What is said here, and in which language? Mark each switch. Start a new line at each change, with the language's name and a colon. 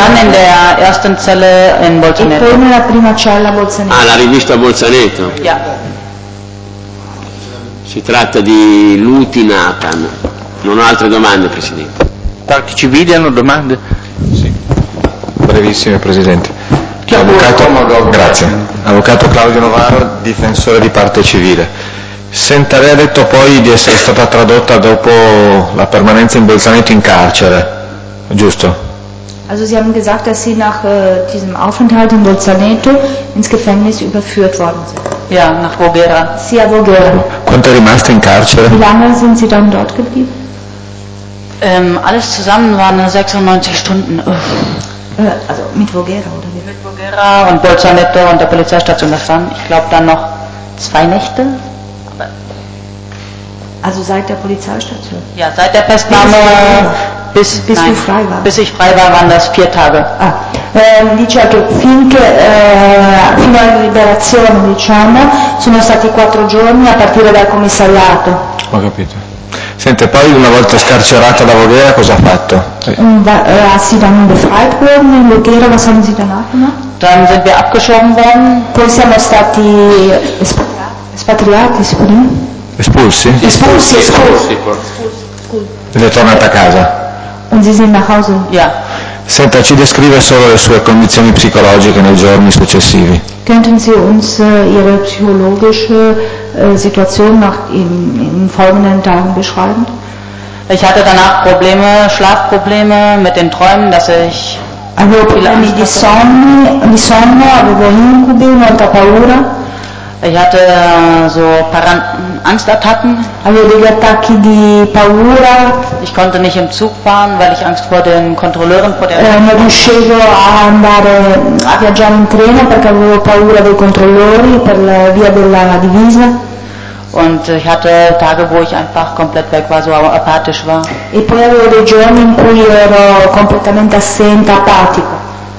German: Und dann in der ersten Zelle in Bolzaneto.
Italian: E poi nella prima cella a Bolzaneto. Ah, la rivista Bolzaneto.
German: Ja.
Italian: Si tratta di Luti Nathan. Non ho altre domande, Presidente. Tanti ci vediano domande? Sì. Brevissime, Presidente. Avvocato, grazie. Avvocato Claudio Novaro, difensore di parte civile. Senta, lei ha detto poi di essere stata tradotta dopo la permanenza in Bolzaneto in carcere, giusto?
German: Also Sie haben gesagt, dass Sie nach diesem Aufenthalt in Bolzaneto ins Gefängnis überführt worden sind. Ja, nach Voghera.
Italian: Sì, a Voghera. Quanto è rimasto in carcere?
German: Wie lange sind Sie dann dort geblieben? Alles zusammen waren 96 Stunden. Uff. Also mit Voghera oder wie? Mit Voghera und Bolzaneto und der Polizeistation, das waren, ich glaube, dann noch zwei Nächte. Also seit der Polizeistation? Ja, seit der Festnahme bis nein, du frei warst. Bis ich frei war, waren das vier Tage.
Italian: Ah, diciamo, fino alla liberazione, diciamo, sono stati quattro giorni a partire dal commissariato. Ho capito. Senta, poi una volta scarcerata da Voghera cosa ha fatto?
German: Sì, dann befreit worden in Voghera, was haben Sie danach gemacht? Dann sind wir abgeschoben worden.
Italian: Poi siamo stati espatriati, si può dire? Espulsi? Espulsi, espulsi. Ed è tornata a casa?
German: Und Sie sind nach Hause? Ja.
Italian: Senta, ci descrive solo le sue condizioni psicologiche nei giorni successivi.
German: Könnten Sie uns Ihre psychologische Situation nach in folgenden Tagen beschreiben? Ich hatte danach Probleme, Schlafprobleme mit den Träumen, dass ich
Italian: avevo problemi di sonno, avevo incubi, molta paura.
German: Ich hatte so Angstattacken.
Italian: Avevo degli attacchi di paura.
German: Ich konnte nicht im Zug fahren, weil ich Angst vor den Kontrolleuren vor der.
Italian: Non riuscivo a andare a viaggiare in treno perché avevo paura dei controllori per la via della divisa.
German: Und ich hatte Tage, wo ich einfach komplett weg war, so apathisch war.
Italian: E poi avevo dei giorni in cui ero completamente assente, apatico.